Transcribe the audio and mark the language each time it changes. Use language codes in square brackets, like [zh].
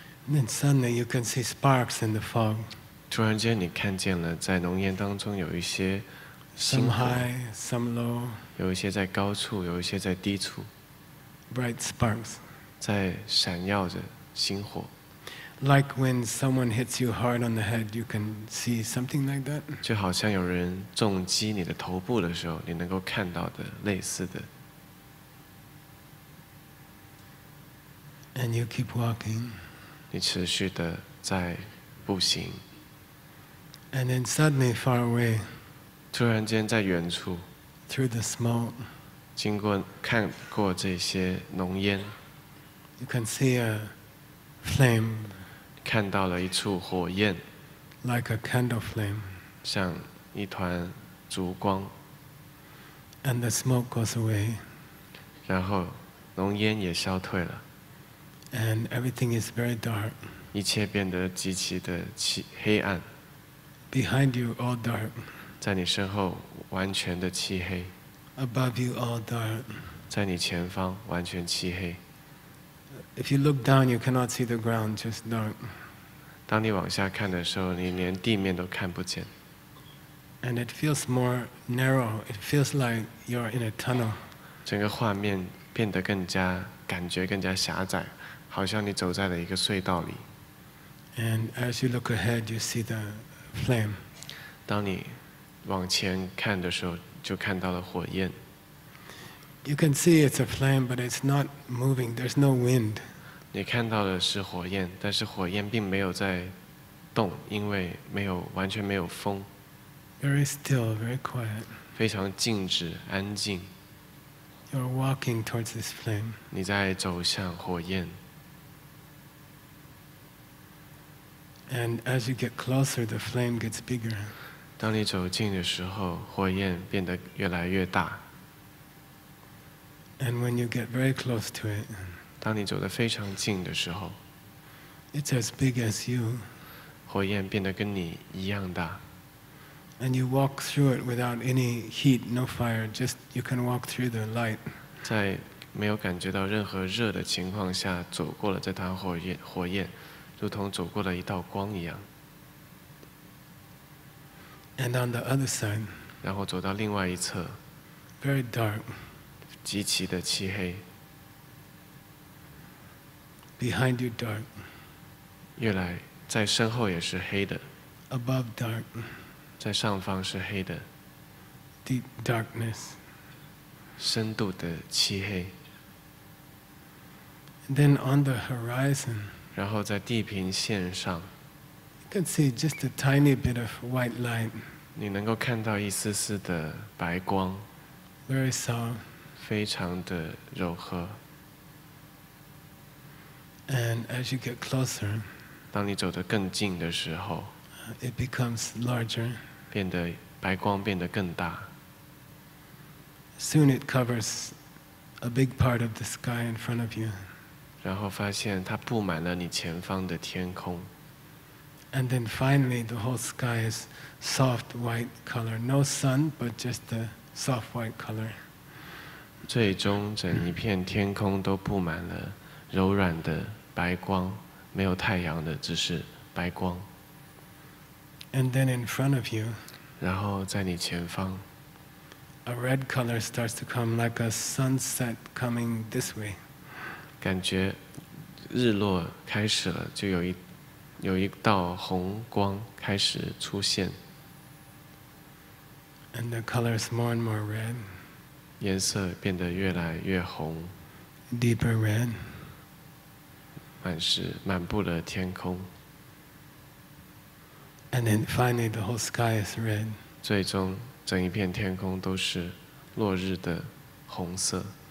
[en] Then suddenly you can see sparks in the fog. [zh] 突然间你看见了在浓烟当中有一些 [en] Some high, some low. [zh] 有一些在高处，有一些在低处。 [en] Bright sparks. [zh] 在闪耀着星火。 [en] Like when someone hits you hard on the head, you can see something like that. [zh] 就好像有人重击你的头部的时候，你能够看到的类似的。 [en] And you keep walking. [zh] 你持续的在步行。 [en] And then suddenly, far away. [zh] 突然间在远处 [en] through the smoke, [zh] 经过看过这些浓烟 [en] you can see a flame, [zh] 看到了一处火焰 [en] like a candle flame, [zh] 像一团烛光 [en] and the smoke goes away, [zh] 然后浓烟也消退了 [en] and everything is very dark, [zh] 一切变得极其的黑暗 [en] behind you all dark, [zh] 在你身后完全的漆黑 [en] Above you all dark [zh] 在你前方完全漆黑 [en] If you look down you cannot see the ground just dark [zh] 当你往下看的时候你连地面都看不见 [en] And it feels more narrow it feels like you're in a tunnel [zh] 整个画面变得更加感觉更加狭窄好像你走在了一个隧道里 [en] And as you look ahead you see the flame [zh] 当你往前看的时候就看到了火焰 [en] You can see it's a flame but it's not moving there's no wind [zh] 你看到的是火焰但是火焰并没有在动因为没有完全没有风 [en] Very still very quiet [zh] 非常静止安静 [en] You're walking towards this flame [zh] 你在走向火焰 [en] And as you get closer the flame gets bigger [zh] 当你走近的时候火焰变得越来越大 [en] And when you get very close to it, [zh] 当你走得非常近的时候 [en] It's as big as you. [zh] 火焰变得跟你一样大。 [en] And you walk through it without any heat, no fire, just you can walk through the light. [zh] 在没有感觉到任何热的情况下走过了这团火焰，如同走过了一道光一样。 [en] And on the other side, [zh] 然后走到另外一侧。 [en] Very dark. [zh] 极其的漆黑。 [en] Behind you, dark. [zh] 越来在身后也是黑的。 [en] Above, dark. [zh] 在上方是黑的。 [en] Deep darkness. [zh] 深度的漆黑。 [en] And then on the horizon. [zh] 然后在地平线上。 [en] You can see just a tiny bit of white light. [zh] 你能够看到一丝丝的白光。 [en] Very soft. [zh] 非常的柔和。 [en] And as you get closer, [zh] 当你走得更近的时候， [en] it becomes larger. [zh] 变得白光变得更大。 [en] Soon it covers a big part of the sky in front of you. [zh] 然后发现它布满了你前方的天空。 [en] And then finally, the whole sky is soft white color. No sun, but just a soft white color. [zh] 最终，整一片天空都布满了。柔软的白光，没有太阳的，只是白光。 [en] And then in front of you, [zh] 然后在你前方， [en] a red color starts to come like a sunset coming this way. [zh] 感觉日落开始了，就有一道红光开始出现。 [en] And the color is more and more red. [zh] 颜色变得越来越红。 [en] Deeper red. [zh] 满布了天空。 [en] And then finally the whole sky is red. [zh] 最终整一片天空都是落日的红色。